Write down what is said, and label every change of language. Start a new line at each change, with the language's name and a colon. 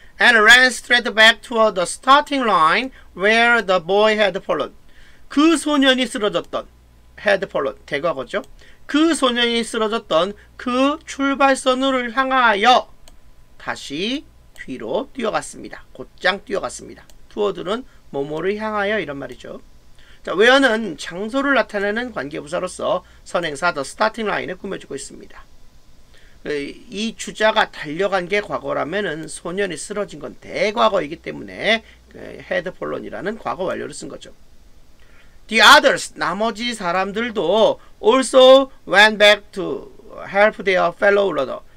English: And ran straight back toward the starting line where the boy had fallen.
Korean: 그 소년이 쓰러졌던, had fallen, 대과거죠. 그 소년이 쓰러졌던 그 출발선을 향하여 다시 뒤로 뛰어갔습니다. 곧장 뛰어갔습니다. 투어드는 뭐뭐를 향하여 이런 말이죠. 자, 웨어는 장소를 나타내는 관계부사로서 선행사 the starting line을 꾸며주고 있습니다. 이 주자가 달려간 게 과거라면은 소년이 쓰러진 건 대과거이기 때문에 had fallen이라는 과거 완료를 쓴 거죠.
English: The others,
Korean: 나머지 사람들도
English: also went back to help their fellow runner.